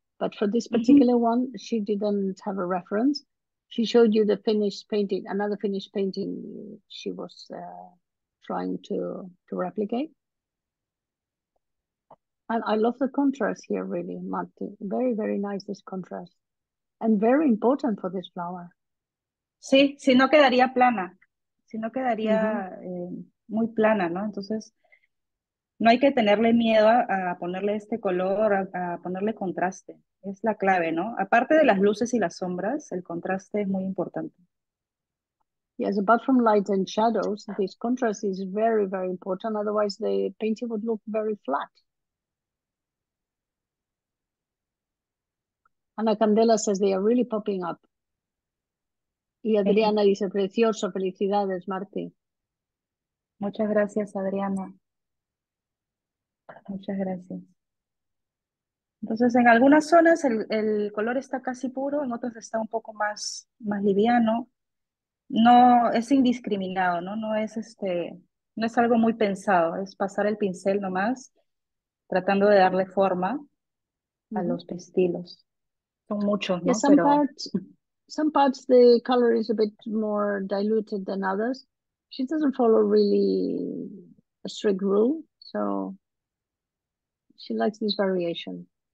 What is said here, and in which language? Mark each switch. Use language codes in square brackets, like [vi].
[en] But for this particular mm-hmm. one, she didn't have a reference. She showed you the finished painting, another finished painting she was trying to replicate. And I love the contrast here, really, Marty. Very, very nice, this contrast. And very important for this flower. [es] Sí, si no quedaría plana, si no quedaría muy plana, ¿no? Entonces, no hay que tenerle miedo a ponerle este color, a ponerle contraste. Es la clave, ¿no? Aparte de las luces y las sombras, el contraste es muy importante. [en] Yes, apart from light and shadows, this contrast is very, very important. Otherwise, the painting would look very flat. Ana Candela says they are really popping up. [es] Y Adriana dice, precioso, felicidades, Marti. Muchas gracias, Adriana. Muchas gracias. Entonces, en algunas zonas el color está casi puro, en otras está un poco más liviano. No, es indiscriminado, ¿no? No es no es algo muy pensado, es pasar el pincel nomás, tratando de darle forma a los pistilos. Son muchos, ¿no? Pero... [en] Some parts the color is a bit more diluted than others. She doesn't follow really a strict rule, so she likes this variation.